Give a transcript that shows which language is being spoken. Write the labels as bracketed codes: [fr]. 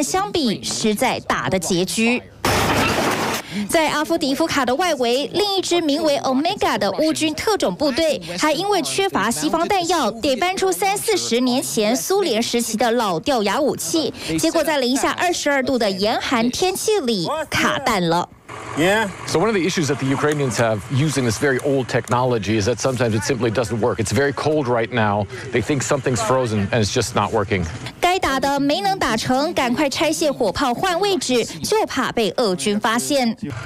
[zh] 每天能用的炮弹量是之前的一半。乌克兰苦等美国军援没下文，和俄罗斯从北韩获得百万枚炮弹相比，实在打得拮据。在阿夫迪夫卡的外围，另一支名为Omega的乌军特种部队，还因为缺乏西方弹药，得搬出三四十年前苏联时期的老掉牙武器，结果在零下22度的严寒天气里卡弹了。 [en] So one of the issues that the Ukrainians have using this very old technology is that sometimes it simply doesn't work. It's very cold right now. They think something's frozen and it's just not working. [zh] 该打的没能打成，赶快拆卸火炮换位置，就怕被俄军发现。